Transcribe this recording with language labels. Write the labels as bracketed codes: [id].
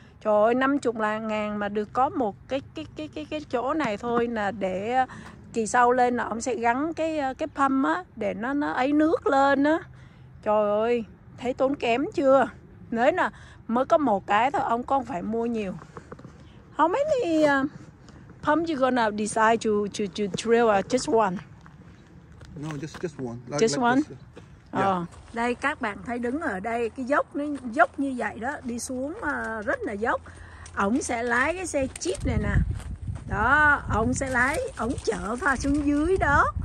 [vi] Trời ơi, 50.000 mà được có một cái chỗ này thôi là để kỳ sau lên là ông sẽ gắn cái pump á để nó ấy nước lên á. Trời ơi, thấy tốn kém chưa? Nếu là mới có một cái thôi, ông còn phải mua nhiều. [en] How many pump you gonna decide to drill just one? No, just one. Just one. Yeah. [vi] Đây các bạn thấy đứng ở đây cái dốc như vậy đó, đi xuống rất là dốc. Ổng sẽ lái cái xe chip này nè. Đó, ổng sẽ lái, ổng chở pha xuống dưới đó.